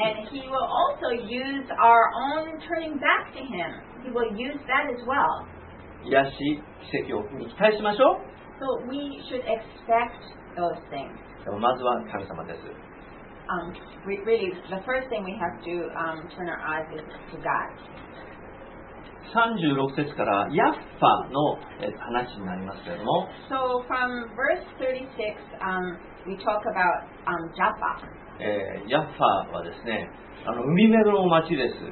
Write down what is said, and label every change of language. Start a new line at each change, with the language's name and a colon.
English: And He will also use our own turning back to Him. He will use that as well.
Japanese: 癒し、奇跡を期待しましょう。
English: So we should expect those things.
Japanese: でもまずは神様です。
English: Really, the first thing we have to turn our eyes is to God.
Japanese: 36節からヤッファの話になりますけれども。
English: So from verse 36, we talk about Jaffa.
Japanese: ヤッファはですね、海辺の町です。